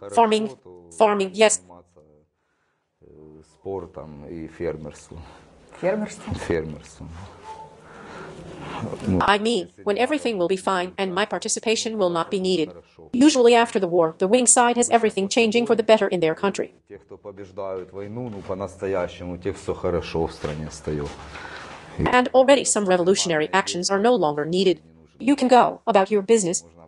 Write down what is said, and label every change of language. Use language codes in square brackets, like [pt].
[en] Farming? Farming, yes. [ru] Спортом и фермерством. Фермерством? Фермерством. [en] I mean, when everything will be fine and my participation will not be needed. Usually after the war, the wing side has everything changing for the better in their country. [ru] Те, кто побеждают войну, ну, по-настоящему, те все хорошо в стране встают. [en] And already some revolutionary actions are no longer needed. You can go about your business.